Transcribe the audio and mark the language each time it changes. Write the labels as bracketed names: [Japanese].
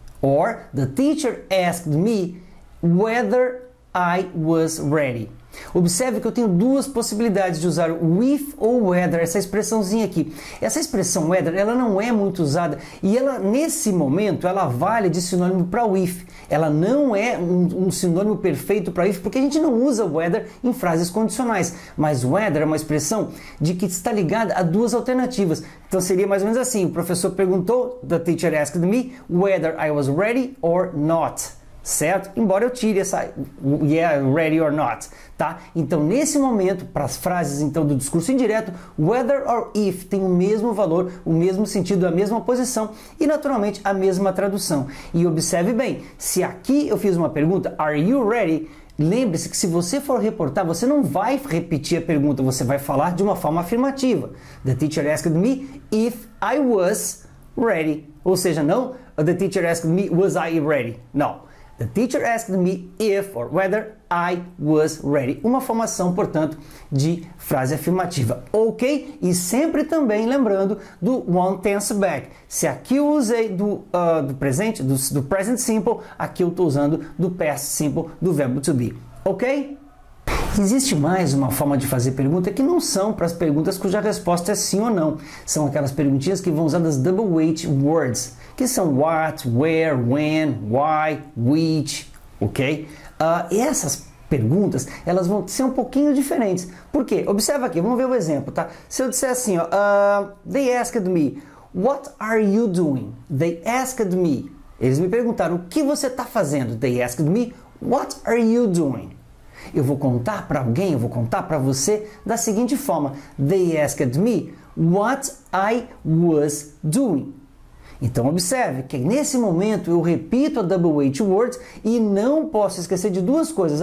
[English] Or the teacher asked me whether I was ready. [Portuguese] Observe que eu tenho duas possibilidades de usar o if ou whether, essa expressãozinha aqui. Essa expressão whether, ela não é muito usada e ela, nesse momento, ela vale de sinônimo para o if. Ela não é um sinônimo perfeito para if, porque a gente não usa whether em frases condicionais. Mas whether é uma expressão de que está ligada a duas alternativas. Então seria mais ou menos assim: o professor perguntou, [English] the teacher asked me whether I was ready or not. [Portuguese] Certo? Embora eu tire essa yeah, [English] ready or not, [Portuguese] tá? Então, nesse momento, para as frases então do discurso indireto, whether or if tem o mesmo valor, o mesmo sentido, a mesma posição e naturalmente a mesma tradução. E observe bem, se aqui eu fiz uma pergunta, [English] are you ready? [Portuguese] Lembre-se que se você for reportar, você não vai repetir a pergunta, você vai falar de uma forma afirmativa. [English] The teacher asked me if I was ready. [Portuguese] Ou seja, não, [English] the teacher asked me was I ready? [Portuguese] Não. [English] The teacher asked me if or whether I was ready. [Portuguese] Uma formação, portanto, de frase afirmativa. Ok? E sempre também lembrando do [English] won't tense back. [Portuguese] Se aqui eu usei do presente, do present simple, aqui eu estou usando do past simple do verbo to be. Ok? Existe mais uma forma de fazer pergunta que não são para as perguntas cuja resposta é sim ou não. São aquelas perguntinhas que vão usar das double weight words, que são what, where, when, why, which, ok? Essas perguntas, elas vão ser um pouquinho diferentes. Por quê? Observa aqui, vamos ver o exemplo, tá? Se eu disser assim, ó, [English] they asked me, what are you doing? They asked me. [Portuguese] Eles me perguntaram, o que você está fazendo? [English] They asked me, what are you doing? [Portuguese] Eu vou contar para alguém, eu vou contar para você da seguinte forma: [English] They asked me what I was doing. [Portuguese] Então observe que nesse momento eu repito a double weight words e não posso esquecer de duas coisas.